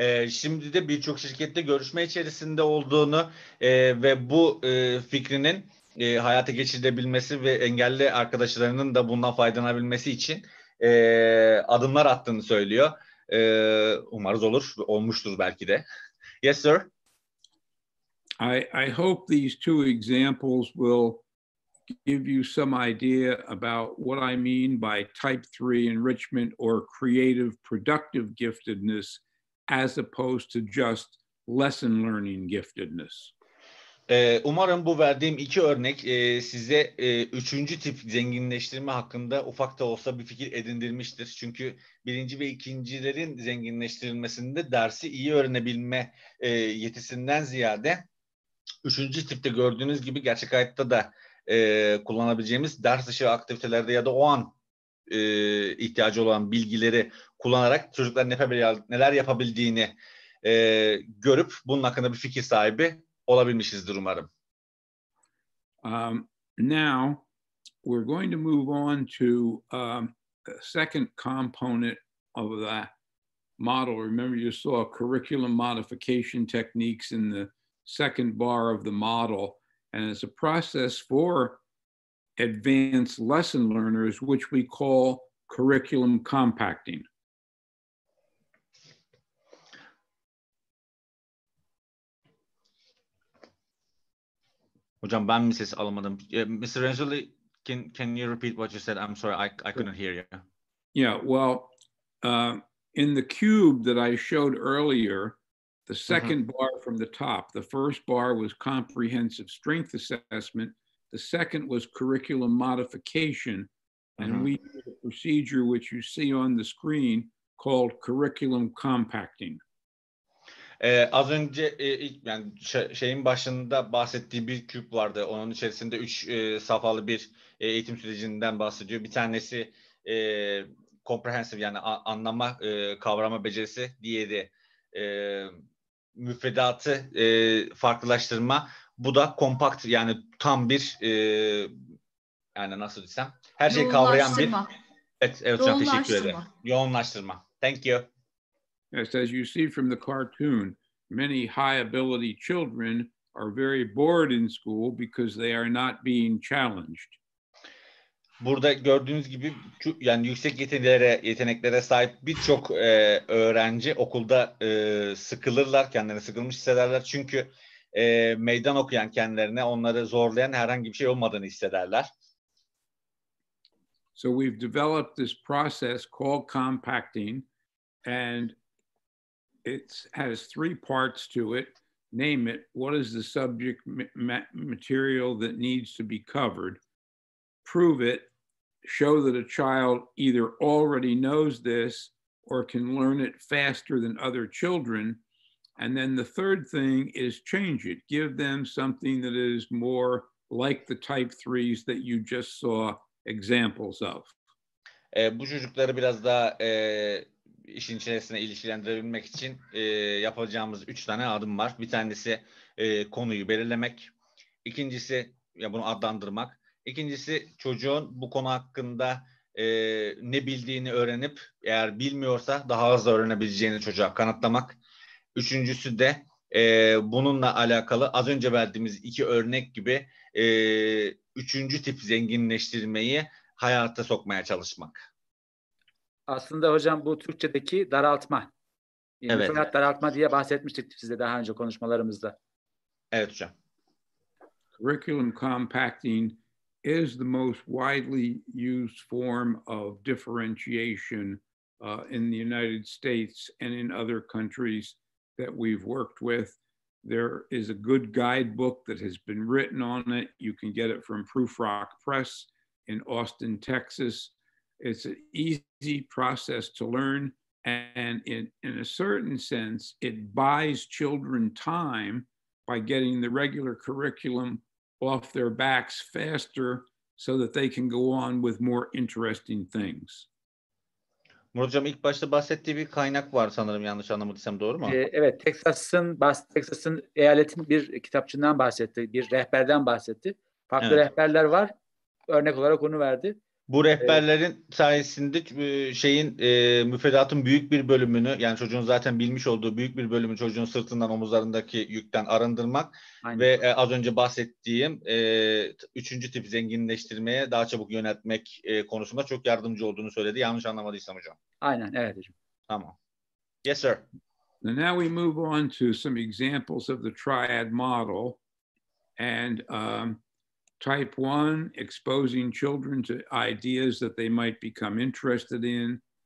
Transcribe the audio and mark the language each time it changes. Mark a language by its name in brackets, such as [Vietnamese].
[Turkish] Şimdi de birçok şirkette görüşme içerisinde olduğunu ve bu fikrinin hayata geçirilebilmesi ve engelli arkadaşlarının da bundan faydalanabilmesi için adımlar attığını söylüyor. Umarız olur, olmuştur belki de. [English] Yes, sir. I hope these two examples will give you some idea about what I mean by type 3 enrichment or creative productive giftedness as opposed to just lesson learning giftedness. [Turkish] Umarım bu verdiğim iki örnek size üçüncü tip zenginleştirme hakkında ufak da olsa bir fikir edindirmiştir. Çünkü birinci ve ikincilerin zenginleştirilmesinde dersi iyi öğrenebilme yetisinden ziyade üçüncü tipte gördüğünüz gibi gerçek hayatta da kullanabileceğimiz ders dışı aktivitelerde ya da o an ihtiyacı olan bilgileri kullanarak çocukların neler yapabildiğini görüp bunun hakkında bir fikir sahibi olabilmişizdir umarım. [English] Now we're going to move on to a second component of the model. Remember you saw curriculum modification techniques in the second bar of the model, and it's a process for advanced lesson learners, which we call curriculum compacting. [Turkish] Hocam, ben mi ses alamadım? [English] Mr. Renzulli, can you repeat what you said? I'm sorry, I couldn't hear you. Yeah, well, in the cube that I showed earlier, the second bar from the top, the first bar was comprehensive strength assessment. The second was curriculum modification. And we did a procedure which you see on the screen called curriculum compacting. [Turkish] Az önce yani şeyin başında bahsettiği bir küp vardı. Onun içerisinde üç safhalı bir eğitim sürecinden bahsediyor. Bir tanesi comprehensive yani anlama, kavrama becerisi. Diğeri müfredatı farklılaştırma. Bu da kompakt yani tam bir yani nasıl desem her şeyi kavrayan bir. Evet hocam, teşekkür ederim. Yoğunlaştırma. [English] Thank you. Yes, as you see from the cartoon, many high ability children are very bored in school because they are not being challenged. [Turkish] Burada gördüğünüz gibi yani yüksek yeteneklere sahip birçok öğrenci okulda sıkılırlar, kendilerini sıkılmış hissederler. Çünkü meydan okuyan kendilerine onları zorlayan herhangi bir şey olmadığını hissederler. [English] So we've developed this process called compacting and it has three parts to it. Name it. What is the subject material that needs to be covered? Prove it. Show that a child either already knows this or can learn it faster than other children. And then the third thing is change it. Give them something that is more like the type threes that you just saw examples of. [Turkish] Bu çocukları biraz daha işin içerisine ilişkilendirebilmek için yapacağımız üç tane adım var. Bir tanesi konuyu belirlemek. İkincisi ya bunu adlandırmak. İkincisi çocuğun bu konu hakkında ne bildiğini öğrenip eğer bilmiyorsa daha hızlı öğrenebileceğini çocuğa kanıtlamak. Üçüncüsü de bununla alakalı az önce verdiğimiz iki örnek gibi üçüncü tip zenginleştirmeyi hayata sokmaya çalışmak. Aslında hocam bu Türkçedeki daraltma. Evet. Müfredat daraltma diye bahsetmiştik size daha önce konuşmalarımızda. Evet hocam. [English] Curriculum compacting is the most widely used form of differentiation in the United States and in other countries that we've worked with. There is a good guidebook that has been written on it. You can get it from Prufrock Press in Austin, Texas. It's an easy process to learn, and in a certain sense, it buys children time by getting the regular curriculum off their backs faster so that they can go on with more interesting things. [Turkish] Murat Hocam ilk başta bahsettiği bir kaynak var sanırım, yanlış anlamadıysam, doğru mu? Evet, Texas'ın eyaletin bir kitapçığından bahsetti, bir rehberden bahsetti. Farklı evet. Rehberler var, örnek olarak onu verdi. Bu rehberlerin sayesinde müfredatın büyük bir bölümünü, yani çocuğun zaten bilmiş olduğu büyük bir bölümü çocuğun sırtından, omuzlarındaki yükten arındırmak. Aynen. Ve az önce bahsettiğim üçüncü tip zenginleştirmeye daha çabuk yöneltmek konusunda çok yardımcı olduğunu söyledi. Yanlış anlamadıysam hocam. Aynen, evet hocam. Tamam. [English] Yes, sir. Now we move on to some examples of the triad model and... Type one, exposing children to ideas that they might become interested in.